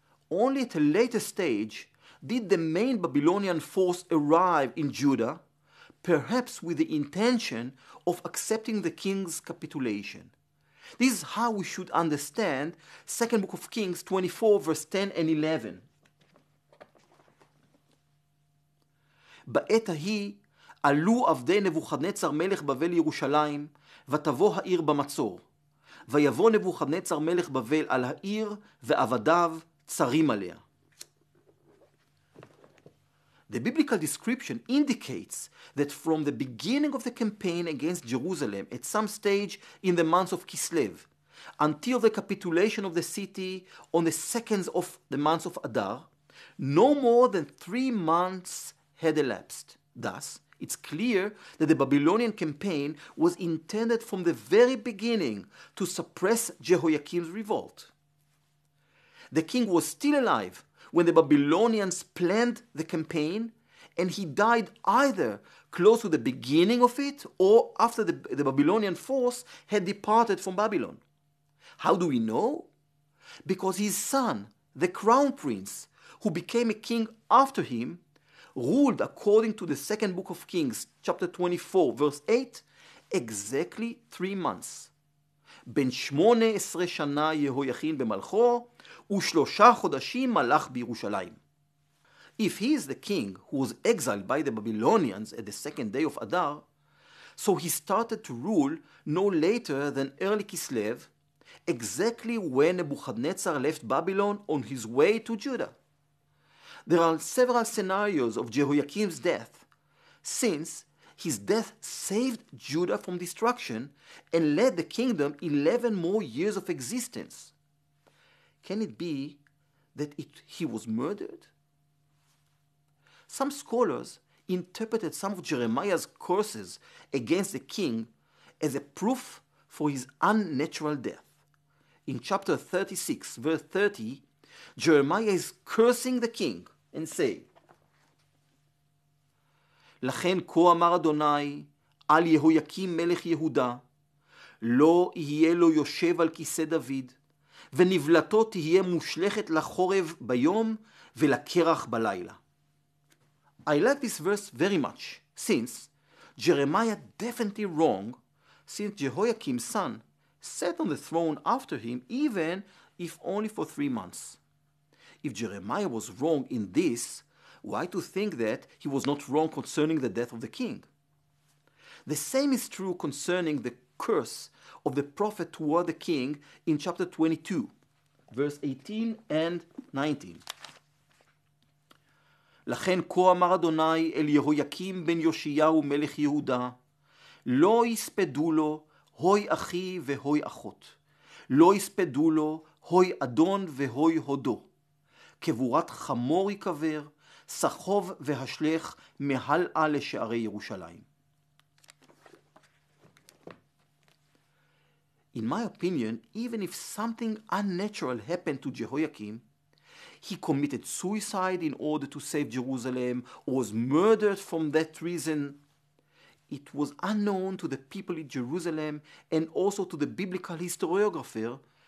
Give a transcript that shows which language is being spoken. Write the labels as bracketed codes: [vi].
[en] Only at a later stage did the main Babylonian force arrive in Judah, perhaps with the intention of accepting the king's capitulation. This is how we should understand 2nd Book of Kings 24, verse 10 and 11. [he] בעת ההיא עלו עבדי נבוכדנצר מלך בבל ירושלים, ותבוא העיר במצור. ויבוא נבוכדנצר מלך בבל על העיר, ועבדיו צרים עליה. [en] The biblical description indicates that from the beginning of the campaign against Jerusalem at some stage in the month of Kislev, until the capitulation of the city on the second of the month of Adar, no more than 3 months had elapsed. Thus, it's clear that the Babylonian campaign was intended from the very beginning to suppress Jehoiakim's revolt. The king was still alive when the Babylonians planned the campaign, and he died either close to the beginning of it or after the Babylonian force had departed from Babylon. How do we know? Because his son, the crown prince, who became a king after him, ruled according to the second book of Kings, chapter 24, verse 8, exactly 3 months. [he] בן 18 שנה יהויכין במלכו, ושלושה חודשים מלך בירושלים. [en] If he is the king who was exiled by the Babylonians at the second day of Adar, so he started to rule no later than early Kislev, exactly when Nebuchadnezzar left Babylon on his way to Judah. There are several scenarios of Jehoiakim's death, since his death saved Judah from destruction and led the kingdom 11 more years of existence. Can it be that he was murdered? Some scholars interpreted some of Jeremiah's curses against the king as a proof for his unnatural death. In chapter 36, verse 30, Jeremiah is cursing the king and saying, [he] לכן כה אמר אדוני על יהויקים מלך יהודה, לא יהיה לו יושב על כיסא דוד, ונבלתו תהיה מושלכת לחורב ביום ולקרח בלילה. [en] I like this verse very much, since Jeremiah definitely wrong, since Jehoiakim's son sat on the throne after him, even if only for 3 months. If Jeremiah was wrong in this, why to think that he was not wrong concerning the death of the king? The same is true concerning the curse of the prophet toward the king in chapter 22, verse 18 and 19. [he] לכן כה אמר אדוני אל יהויקים בן יושיהו מלך יהודה, לא יספדו לו הוי אחי והוי אחות, לא יספדו לו הוי אדון והוי הודו, קבורת חמור יקבר, סחוב והשלך מהלאה לשערי ירושלים. [en] In my opinion, even if something unnatural happened to Jehoiakim, he committed suicide in order to save Jerusalem, or was murdered from that reason, it was unknown to the people in Jerusalem and also to the biblical historiographer.